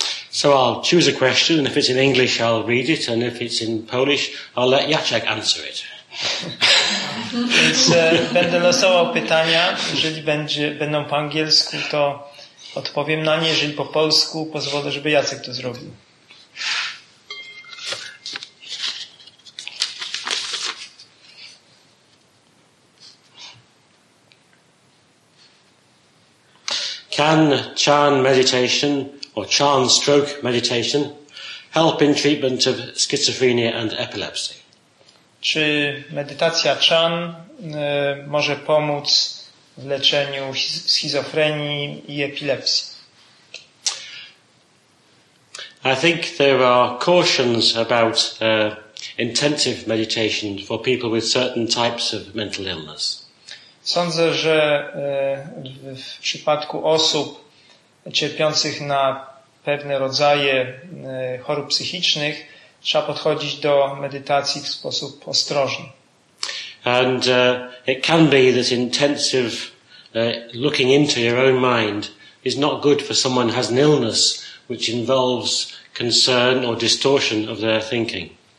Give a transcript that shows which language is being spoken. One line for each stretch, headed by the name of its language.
English: So I'll choose a question, and if it's in English, I'll read it, and if it's in Polish, I'll let Jacek answer it.
Polish: Więc będę losował pytania, jeżeli będą po angielsku, to odpowiem na nie, jeżeli po polsku, pozwolę, żeby Jacek to zrobił.
English: Can chan meditation or chan stroke meditation help in treatment of schizophrenia and epilepsy?
Polish: Czy medytacja chan może pomóc w leczeniu schizofrenii i epilepsji?
English: I think there are cautions about intensive meditation for people with certain types of mental illness.
Polish: Sądzę, że w przypadku osób cierpiących na pewne rodzaje chorób psychicznych trzeba podchodzić do medytacji w sposób ostrożny.
English: And it can be that intensive looking into your own mind is not good for someone who has an illness which involves concern or distortion of their thinking.